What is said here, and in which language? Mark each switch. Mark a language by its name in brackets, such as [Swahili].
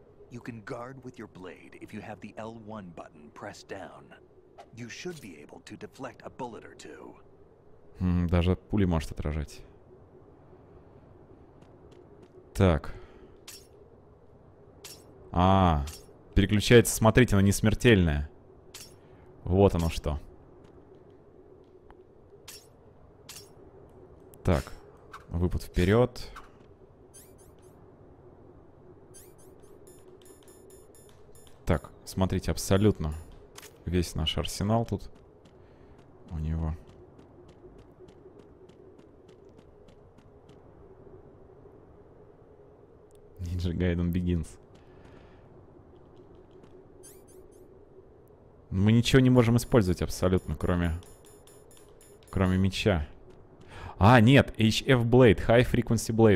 [English] You can guard with your blade if you have the L1 button pressed down. You should be able to deflect a bullet or two. [Russian] Даже пули может отражать. Так. А, переключается, смотрите, она не смертельная. Вот оно что. Так, выпад вперед. Так, смотрите, абсолютно весь наш арсенал тут у него. [English] Ninja Gaiden Begins. [Russian] Мы ничего не можем использовать абсолютно, кроме меча. А, нет, HF Blade, High Frequency Blade.